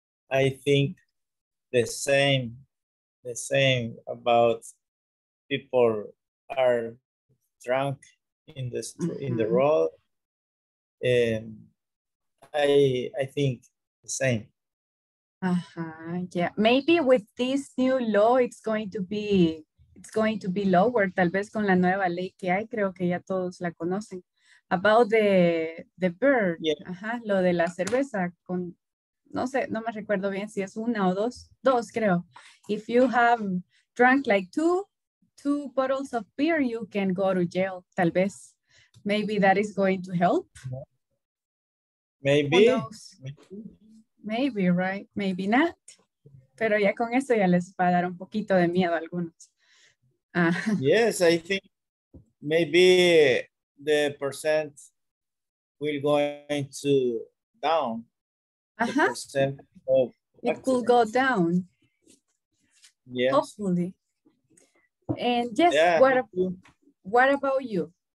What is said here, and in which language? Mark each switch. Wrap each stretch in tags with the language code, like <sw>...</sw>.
<en>I think the same about people are drunk in the street, mm-hmm. in the road. I think the same. Uh-huh, yeah. Maybe with this new law, it's going to be lower.</en> <es>Tal vez con la nueva ley que hay, creo que ya todos la conocen.</es> <en>About the beer. Yeah.</en> <es>Uh-huh, lo de la cerveza con, no sé, no me recuerdo bien si es una o dos. Dos, creo.</es> <en>If you have drunk like two bottles of beer, you can go to jail,</en> <es>tal vez.</es> <en>Maybe that is going to help. Yeah. Maybe. Maybe, right? Maybe not.</en> <es>Pero ya con eso ya les va a dar un poquito de miedo a algunos.</es> <en>Yes, I think maybe the percent will going to down. Uh-huh. The percent of it could go down. Yes. Hopefully. And yes, yeah. what about you?</en>